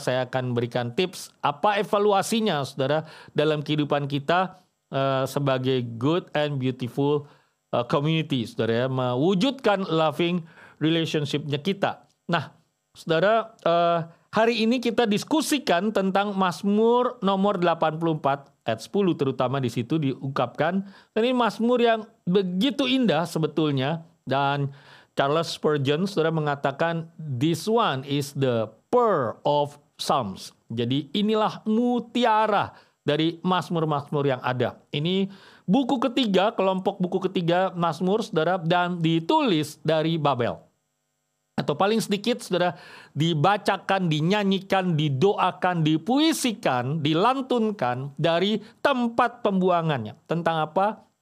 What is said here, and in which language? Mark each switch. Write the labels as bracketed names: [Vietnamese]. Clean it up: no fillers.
[Indonesian] Saya akan berikan tips apa evaluasinya, saudara, dalam kehidupan kita sebagai [English] good and beautiful community, [Indonesian] saudara, ya, mewujudkan loving relationship-nya kita. Nah, saudara, hari ini kita diskusikan tentang Mazmur nomor 84 ayat 10, terutama di situ diungkapkan. Dan ini Mazmur yang begitu indah sebetulnya. Dan Charles Spurgeon, saudara, mengatakan, [English] "This one is the pearl of Psalms." [Indonesian] Jadi inilah mutiara dari Mazmur-Mazmur yang ada. Ini buku ketiga, kelompok buku ketiga Mazmur, saudara, dan ditulis dari Babel. Atau paling sedikit, saudara, dibacakan, dinyanyikan, didoakan, dipuisikan, dilantunkan dari tempat pembuangannya. Tentang apa?